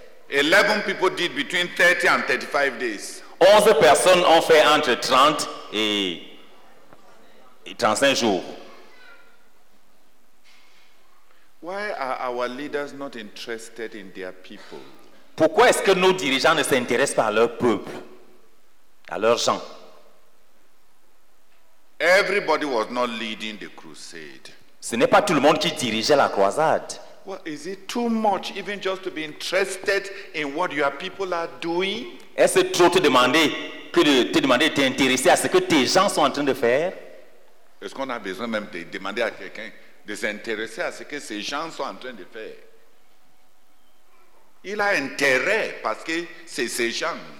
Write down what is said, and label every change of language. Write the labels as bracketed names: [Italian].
[English] 11 people did between 30 and 35 days. [French] 11 personnes ont fait entre 30 et 35 jours. [English] Why are our leaders not interested in their people? [French] Pourquoi est-ce que nos dirigeants ne s'intéressent pas à leur peuple, à leurs gens? [English] Everybody was not leading the crusade. [French] Ce n'est pas tout le monde qui dirigeait la croisade. [English] Well, is it too much even just to be interested in what your people are doing? [French] Est-ce trop te demander de t'intéresser à ce que tes gens sont en train de faire? Est-ce qu'on a besoin même de demander à quelqu'un de s'intéresser à ce que ces gens sont en train de faire? Il a intérêt parce que c'est ces gens.